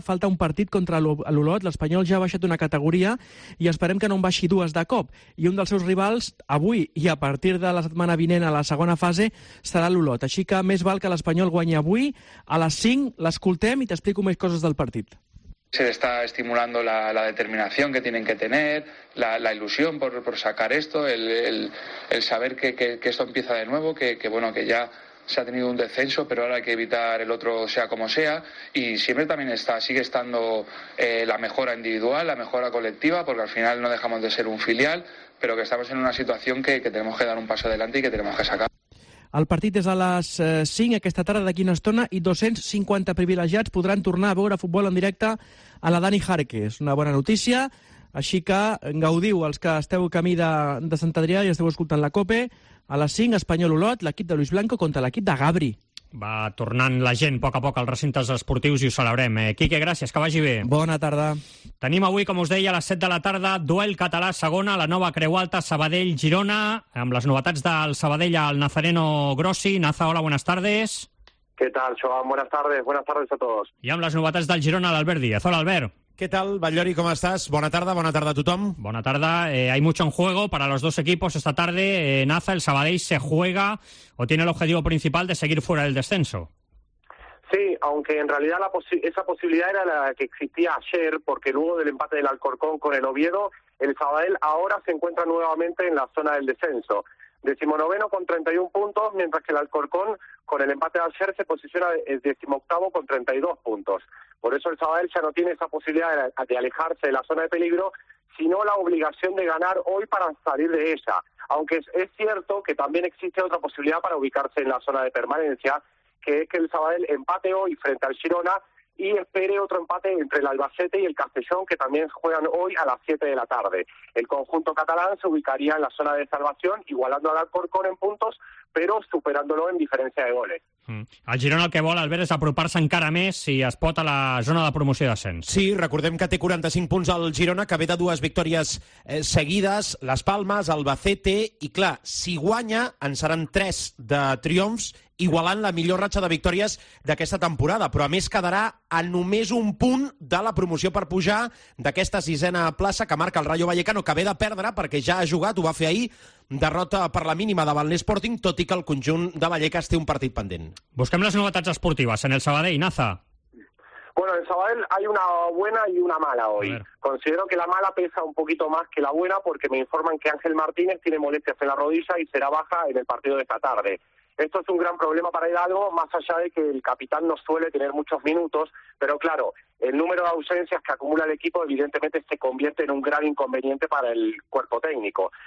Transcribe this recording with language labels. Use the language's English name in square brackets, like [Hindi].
[Catalan] Falta un partit contra l'Olot. L'Espanyol ja ha baixat una categoria i esperem que no en baixi dues de cop. I un dels seus rivals, avui i a partir de la setmana vinent a la segona fase, serà l'Olot. Així que més val que l'Espanyol guanyi avui. A les 5 l'escoltem i t'explico més coses del partit. [Spanish] Se está estimulando la determinación que tienen que tener, la ilusión por sacar esto, el saber que esto empieza de nuevo, que bueno, que ya se ha tenido un descenso, pero ahora hay que evitar el otro sea como sea. Y siempre también sigue estando la mejora individual, la mejora colectiva, porque al final no dejamos de ser un filial, pero que estamos en una situación que tenemos que dar un paso adelante y que tenemos que sacar. [Catalan] El partit és a les 5 aquesta tarda, d'aquí una estona, i 250 privilegiats podran tornar a veure futbol en directe a la Dani Jarque. És una bona notícia, així que gaudiu els que esteu camí de Sant Adrià i esteu escoltant la COPE. A les 5, Espanyol-Olot, l'equip de Luis Blanco contra l'equip de Gabri. Va tornant la gent a poc als recintes esportius i ho celebrem. Quique, gràcies, que vagi bé. Bona tarda. Tenim avui, com us deia, a les 7 de la tarda, duel català segona, la nova Creu Alta, Sabadell-Girona, amb les novetats del Sabadell al Nazareno Grossi. [Spanish] Naza, hola, buenas tardes. ¿Qué tal, Joan? Buenas tardes a todos. [Catalan] I amb les novetats del Girona, l'Albert Díaz. Hola, Albert. [Spanish] ¿Qué tal, Ballori, cómo estás? [Catalan] Bona tarda a tothom. Bona tarda. [Spanish] Hay mucho en juego para los dos equipos esta tarde. Naza, el Sabadell se juega o tiene el objetivo principal de seguir fuera del descenso. Sí, aunque en realidad esa posibilidad era la que existía ayer, porque luego del empate del Alcorcón con el Oviedo, el Sabadell ahora se encuentra nuevamente en la zona del descenso. 19º con 31 puntos, mientras que el Alcorcón, con el empate de ayer, se posiciona 18º con 32 puntos. Por eso el Sabadell ya no tiene esa posibilidad de alejarse de la zona de peligro, sino la obligación de ganar hoy para salir de ella. Aunque es cierto que también existe otra posibilidad para ubicarse en la zona de permanencia, que es que el Sabadell empate hoy frente al Girona y espere otro empate entre el Albacete y el Castellón, que también juegan hoy a las 7 de la tarde. El conjunto catalán se ubicaría en la zona de salvación, igualando al Alcorcón en puntos, pero superándolo en diferencia de goles. [Catalan] El Girona el que vol, Albert, és apropar-se encara més si es pot a la zona de promoció d'ascens. Sí, recordem que té 45 punts el Girona, que ve de dues victòries seguides, Les Palmes, Albacete, i clar, si guanya en seran 3 de triomfs, igualant la millor ratxa de victòries d'aquesta temporada, però a més quedarà a només un punt de la promoció per pujar d'aquesta sisena plaça que marca el Rayo Vallecano, que ve de perdre perquè ja ha jugat, ho va fer ahir, derrota per la mínima davant l'Sporting, tot i que el conjunt de Vallecas té un partit pendent. Busquem les novetats esportives en el Sabadell. Naza. [Spanish] Bueno, en Sabadell hay una buena y una mala hoy. Considero que la mala pesa un poquito más que la buena porque me informan que Ángel Martínez tiene molestias en la rodilla y será baja en el partido de esta tarde. Esto es un gran problema para Hidalgo, más allá de que el capitán no suele tener muchos minutos, pero claro, el número de ausencias que acumula el equipo evidentemente se convierte en un gran inconveniente para el cuerpo técnico.